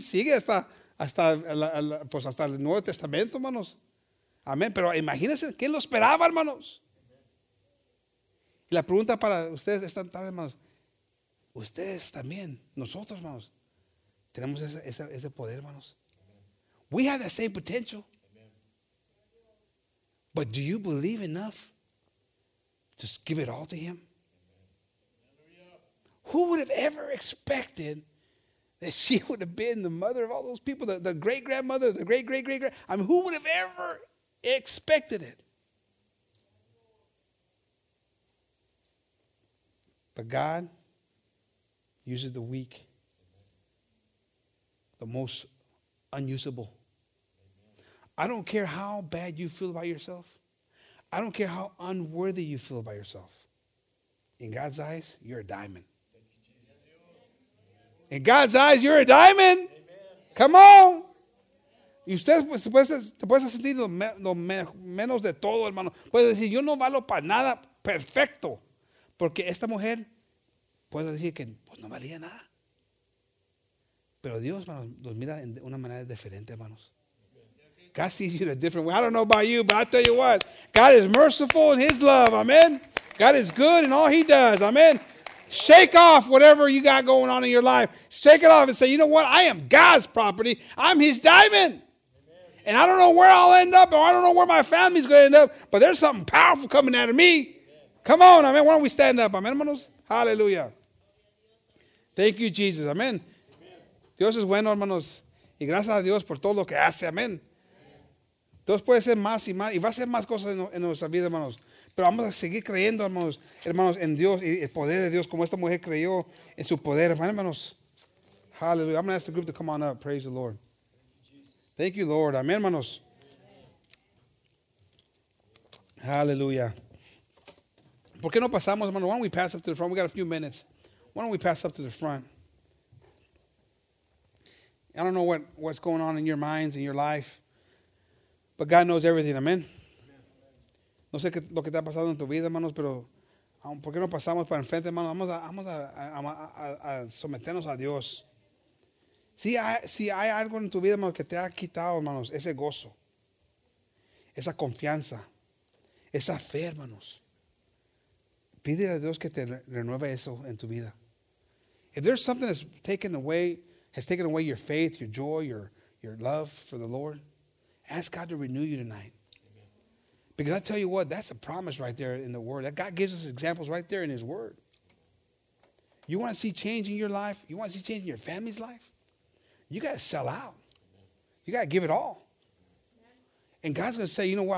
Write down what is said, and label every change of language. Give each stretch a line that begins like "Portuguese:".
Spanish: Sigue hasta el Nuevo Testamento, hermanos. Amén. Pero imagínense, ¿quién lo esperaba, hermanos? Y la pregunta para ustedes esta tarde, hermanos. Ustedes también, nosotros, hermanos, tenemos ese poder, hermanos.
English: We have the same potential. But do you believe enough to give it all to him? Who would have ever expected that she would have been the mother of all those people, the great-grandmother, the great-great-great-grand? I mean, who would have ever expected it? But God uses the weak, the most unusable. I don't care how bad you feel about yourself. I don't care how unworthy you feel about yourself. In God's eyes, you're a diamond. In God's eyes, you're a diamond. Amen. Come on.
Spanish: Y usted se puede sentir lo menos de todo, hermano. Puede decir, yo no valo para nada. Perfecto. Porque esta mujer puede decir que pues, no valía nada. Pero Dios, hermano, los mira de una manera diferente, hermanos.
English: God sees you in a different way. I don't know about you, but I tell you what. God is merciful in his love. Amen. God is good in all he does. Amen. Shake off whatever you got going on in your life. Shake it off and say, you know what? I am God's property. I'm his diamond. Amen. And I don't know where I'll end up, or I don't know where my family's going to end up, but there's something powerful coming out of me. Amen. Come on, amen. Why don't we stand up? Amen, hermanos. Hallelujah. Thank you, Jesus. Amen. Amen.
Spanish: Dios es bueno, hermanos. Y gracias a Dios por todo lo que hace. Amen. Dios puede hacer más y más. Y va a hacer más cosas en nuestra vida, hermanos. Pero vamos a seguir creyendo, hermanos, en Dios y el poder de Dios, como esta mujer creyó en su poder, hermanos. Hallelujah.
English: I'm going to ask the group to come on up. Praise the Lord. Thank you, Lord. Amen, hermanos.
Spanish: Hallelujah. ¿Por qué no pasamos, hermanos?
English: Why don't we pass up to the front? We got a few minutes. Why don't we pass up to the front? I don't know what's going on in your minds, in your life, but God knows everything. Amen.
Spanish: No sé qué lo que está pasando en tu vida, hermanos, pero ¿por qué no pasamos para enfrente, hermanos? Vamos a someternos a Dios. Si hay algo en tu vida, hermanos, que te ha quitado, hermanos, ese gozo, esa confianza, esa fe, hermanos, pide a Dios que te renueve eso en tu vida.
English: If there's something that's taken away, has taken away your faith, your joy, your love for the Lord, ask God to renew you tonight. Because I tell you what, that's a promise right there in the Word. That God gives us examples right there in His Word. You want to see change in your life? You want to see change in your family's life? You got to sell out. You got to give it all. And God's going to say, you know what?